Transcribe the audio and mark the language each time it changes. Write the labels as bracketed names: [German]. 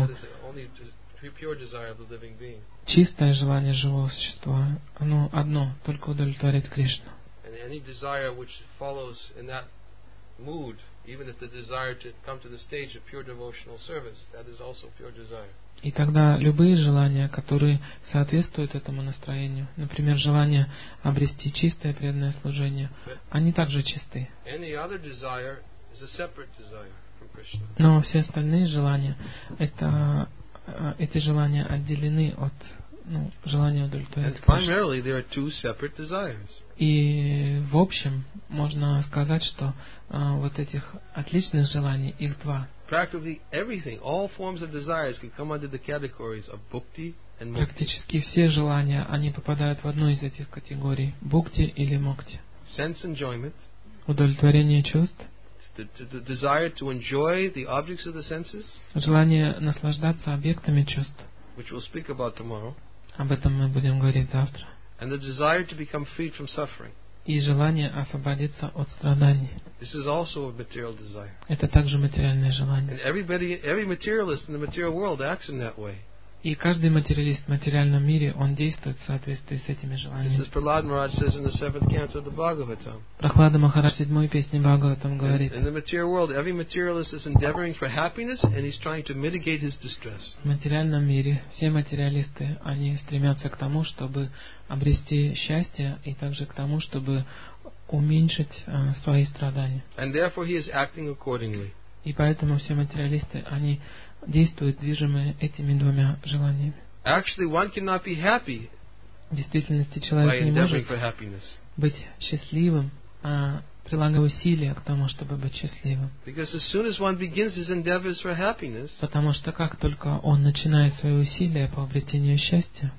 [English] That is the only pure desire of the living being. [Russian] Чистое желание живого существа, оно одно, только удовлетворить Кришну. [English] And any desire which follows in that mood, even if the desire to come to the stage of pure devotional service, that is also pure desire. [Russian] И тогда любые желания, которые соответствуют этому настроению, например, желание обрести чистое преданное служение, они также чисты. [English] Any other desire is a separate desire from Krishna. [Russian] Но все остальные желания, это эти желания отделены от ну, желание удовлетворяет. [English] And primarily there are two separate desires. [Russian] И в общем можно сказать, что вот этих отличных желаний их два. [English] Practically everything, all forms of desires can come under the categories of bhukti and mukti. [Russian] Практически все желания, они попадают в одну из этих категорий: бхукти или мукти. [English] Sense enjoyment. [Russian] Удовлетворение чувств. [English] The desire to enjoy the objects of the senses. [Russian] Желание наслаждаться объектами чувств. [English] Which we'll speak about tomorrow. [Russian] Об этом мы будем говорить завтра. [English] And the desire to become freed from suffering. [Russian] И желание освободиться от страданий. [English] This is also a material desire. [Russian] Это также материальное желание. [English] And every materialist in the material world acts in that way. [Russian] И каждый материалист в материальном мире, он действует в соответствии с этими желаниями. Прохлада Махарадж в седьмой песне Бхагаватам говорит: в материальном мире все материалисты, они стремятся к тому, чтобы обрести счастье, и также к тому, чтобы уменьшить свои страдания. [English] And therefore he is acting accordingly. [Russian] И поэтому все материалисты, они действуют, движимые этими двумя желаниями. [English] Actually, one cannot be happy. [Russian] В действительности человек не может быть счастливым, а прилагая усилия к тому, чтобы быть счастливым. [English] Because as soon as one begins his endeavors for happiness, [Russian] потому что как только он начинает свои усилия по обретению счастья,